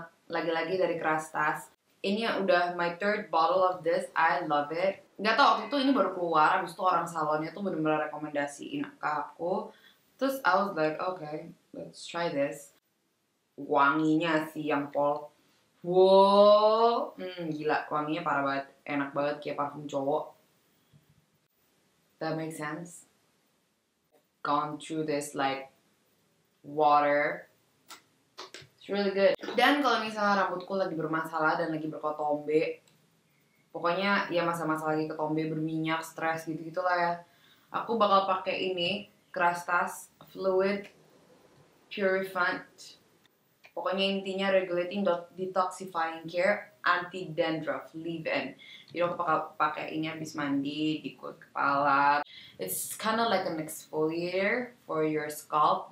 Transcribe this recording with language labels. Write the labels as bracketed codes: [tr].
[id] Lagi-lagi dari Kerastas. Ini udah [en] my third bottle of this. I love it. [id] Gak tau, waktu itu ini baru keluar. Abis itu orang salonnya tuh bener-bener rekomendasiin ke aku. Terus [en] I was like, okay, let's try this. [id] Wanginya sih yang pol. Wow, gila, wanginya parah banget. Enak banget kayak parfum cowok. [en] That makes sense. Gone through this like water. It's really good. [id] Dan kalau misalnya rambutku lagi bermasalah dan lagi berketombe, pokoknya ya masa-masa lagi ketombe, berminyak, stres gitu-gitulah ya, aku bakal pakai ini, Kerastas Fluid Purifant. Pokoknya intinya [en] regulating detoxifying care, anti dandruff, leave-in. [id] Jadi aku bakal pakai ini habis mandi di kulit kepala. [en] It's kind of like an exfoliator for your scalp.